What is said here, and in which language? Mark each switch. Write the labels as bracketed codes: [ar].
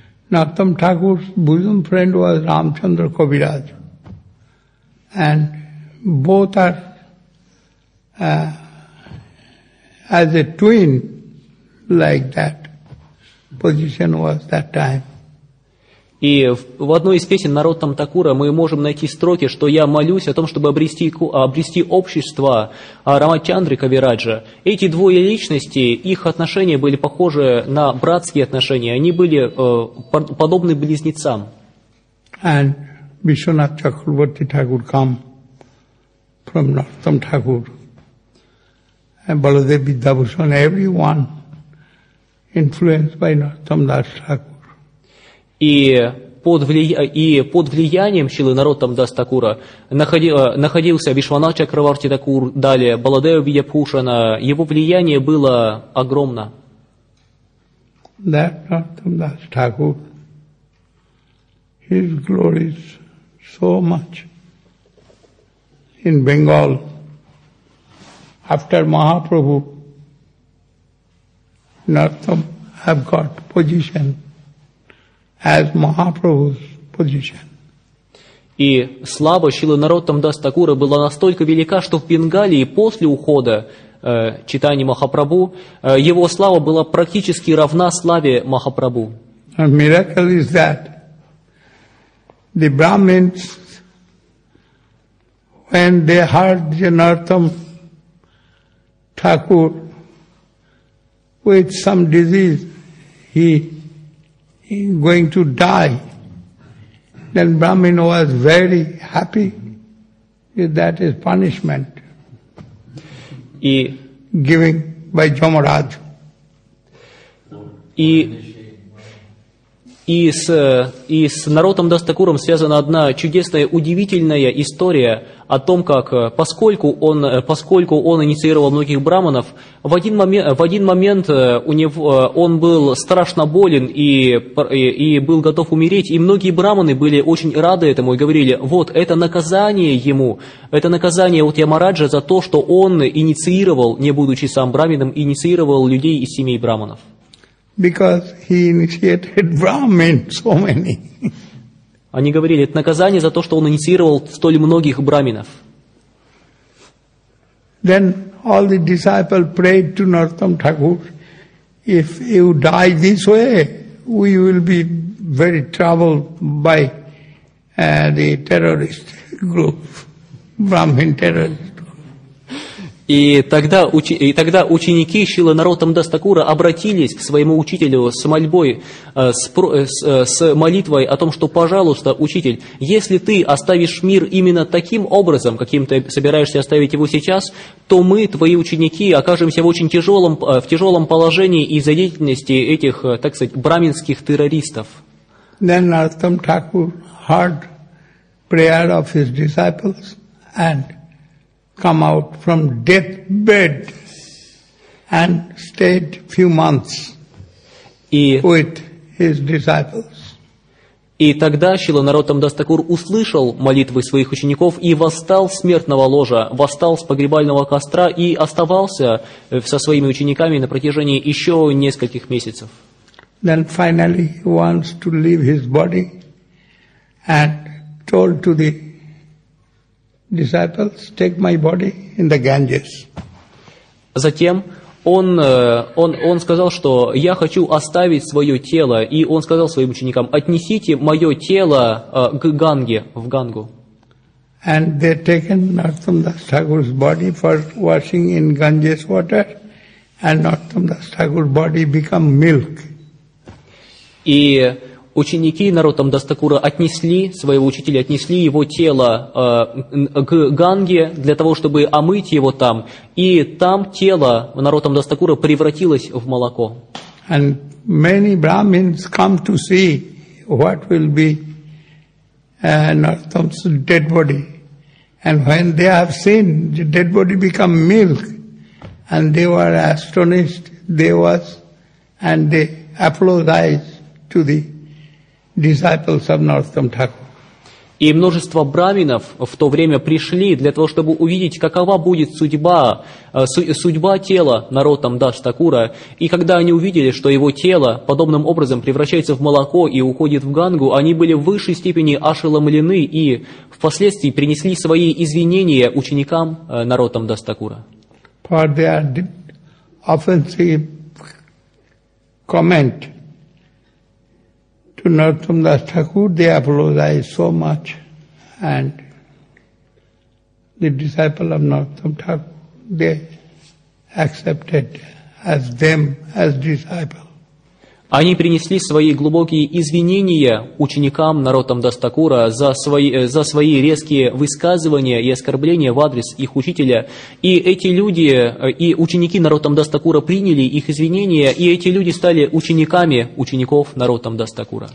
[en] Naruttam Thakur's bosom friend was Ramchandra Kaviraj. And both are, as a twin, like that position was that time. [ru] И в одной из песен Наруттам Такура мы можем найти строки, что я молюсь о том, чтобы обрести общество Рамачандры Кавираджа. Эти двое личности, их отношения были похожи на братские отношения. Они были подобны близнецам. [en] And Vishwanath Chakravarti Thakur came from Naruttam Thakur. And Baladev Vidyabhushan, everyone influenced by Naruttam Das Thakur. [ru] И под влиянием Шрилы Наротам Дас Такура находился Вишванат Чакраварти Такур, далее Баладева Видьябхушана. Его влияние было огромно. [en] That Наротам Дас Такур, his glory is so much in Bengal. After Mahaprabhu, Naruttam have got position as Mahaprabhu's position. [ru] И слава Шрилы Наротам Дас Такура была настолько велика, что в Бенгалии после ухода Чайтаньи Махапрабху его слава была практически равна славе Махапрабху. [en] A miracle is that the Brahmins, when they heard Naruttam Thakur with some disease, he going to die, then Brahmin was very happy if that is punishment given by Jamaraj. [ru] И с Наротам Дас Такуром связана одна чудесная, удивительная история о том, как поскольку он инициировал многих браманов, в один момент он был страшно болен и был готов умереть, и многие браманы были очень рады этому и говорили: вот это наказание ему, это наказание от Ямараджа за то, что он инициировал, не будучи сам браманом, инициировал людей из семей браманов. [en] Because he initiated Brahmin so many. [ru] Они говорили, это наказание за то, что он инициировал столь многих браминов. [en] Then all the disciples prayed to Naruttam Thakur, if you die this way, we will be very troubled by the terrorist group, Brahmin terrorist group. [ru] И тогда ученики Шрилы Наротамдас Такура обратились к своему учителю с мольбой, с молитвой о том, что, пожалуйста, учитель, если ты оставишь мир именно таким образом, каким ты собираешься оставить его сейчас, то мы, твои ученики, окажемся в тяжелом положении из-за деятельности этих, так сказать, браминских террористов. [en] Then Naratam Thakur heard prayer of his disciples and come out from deathbed and stayed few months with his disciples. [ru] И тогда Шрила Наротамдас Такур услышал молитвы своих учеников и восстал с смертного ложа, восстал с погребального костра и оставался со своими учениками на протяжении еще нескольких месяцев. [en] Then finally he wants to leave his body and told to the disciples, take my body in the Ganges. [ru] Затем он сказал, что я хочу оставить свое тело, и он сказал своим ученикам, отнесите мое тело к Ганге, в Гангу. [en] And they taken Narottamdas Thakur's body for washing in Ganges water, and Narottamdas Thakur's body become milk. [ru] И ученики Наротамдас Такура отнесли своего учителя, отнесли его тело к Ганге для того, чтобы омыть его там. И там тело Наротамдас Такура превратилось в молоко. [en] And many Brahmins come to see what will be Naratam's dead body. And when they have seen the dead body become milk, and they were astonished, and they apologized to the disciples of Naratam Thakur. [ru] И множество браминов в то время пришли для того, чтобы увидеть, какова будет судьба тела Наротамдас Такура. И когда они увидели, что его тело подобным образом превращается в молоко и уходит в Гангу, они были в высшей степени ошеломлены и впоследствии принесли свои извинения ученикам Наротамдас Такура. [en] For their offensive comment to Naratamdas Thakur, they apologized so much, and the disciple of Naratam Thakur, they accepted as them, as disciple. [ru] Они принесли свои глубокие извинения ученикам Наротамдас Такура за свои резкие высказывания и оскорбления в адрес их учителя. И эти люди, и ученики Наротамдас Такура приняли их извинения, и эти люди стали учениками учеников Наротамдас Такура.